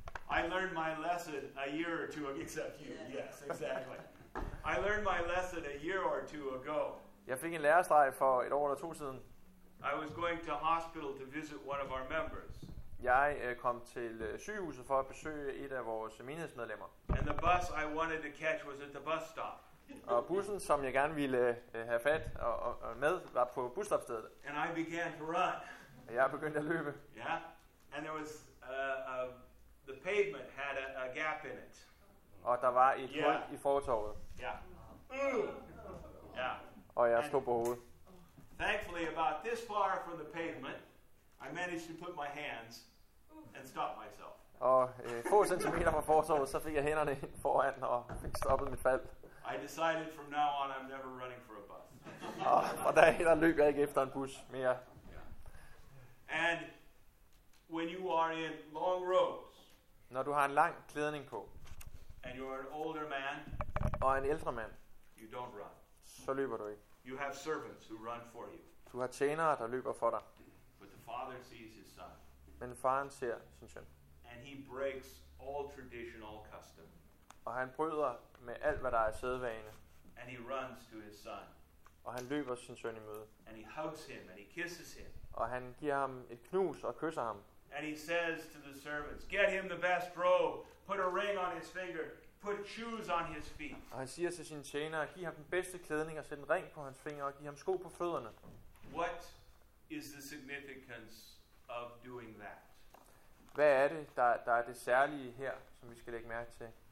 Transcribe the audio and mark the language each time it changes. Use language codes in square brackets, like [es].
[en] I learned my lesson a year or two ago, except you. Yeah. Yes, exactly. I learned my lesson a year or two ago. [da] Jeg fik en lærestreg for et år eller to siden. [en] I was going to hospital to visit one of our members. [da] Jeg kom til sygehuset for at besøge et af vores menighedsmedlemmer. [en] And the bus I wanted to catch was at the bus stop. [da] Og bussen som jeg gerne ville have fat og med var på busstoppestedet. [en] And I began to run. [da] Og jeg begyndte at løbe. [en] Yeah. And there was the pavement had a gap in it. [da] Og der var et hul i fortovet. [en] Yeah. Mm. Yeah. [da] Og jeg stod på hovedet. [en] Thankfully about this far from the pavement, I managed to put my hands and stop myself. [da] Og få centimeter fra fortovet, så fik jeg hænderne ind foran og fik stoppet mit fald. [en] I decided from now on I'm never running for a bus. [da] Og der løb jeg ikke efter en bus mere. [en] Yeah. And when you are in long robes. [da] Når du har en lang klædning på. [en] And you're an older man. [da] Og en ældre mand. [en] You don't run. [da] Så løber du ikke. [en] You have servants who run for you. [da] Du har tjenere der løber for dig. [en] But the father sees his son. [da] Men faren ser sin søn. [en] And he breaks all traditional custom. [da] Og han bryder med alt hvad der er sædvane. [en] And he runs to his son. [da] Og han løber sin søn i møde. [en] And he hugs him and he kisses him. [da] Og han giver ham et knus og kysser ham. [en] And he says to the servants, get him the best robe, put a ring on his finger, put shoes on his feet. [da] Og han siger til sine tjenere, giv ham den bedste klædning og sæt en ring på hans finger og giv ham sko på fødderne. [en] What is the significance of doing that? [da] Hvad er det, der er det særlige her, som vi skal lægge mærke til?